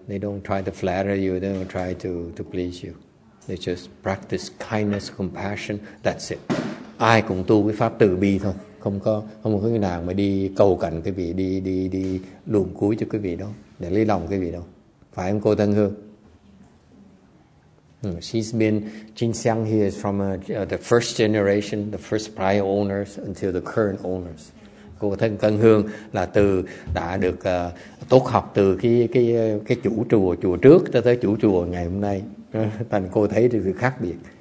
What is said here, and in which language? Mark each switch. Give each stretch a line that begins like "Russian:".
English: They don't try to flatter you, they don't try to please you. They just practice kindness, compassion, that's it.
Vietnamese: Ai cũng tu cái pháp từ bi thôi, không có cái nào mà đi cầu cạnh cái vị, đi luồn cuối cho cái vị đó, để lấy lòng cái vị đó, phải không cô Tân Hương?
English: She's been Jin Xiang here is from the first generation, the first prior owners until the current owners.
Vietnamese: Cô Tân Hương là từ đã được tốt học từ cái chủ chùa trước tới chủ chùa ngày hôm nay, thành cô thấy được sự khác biệt.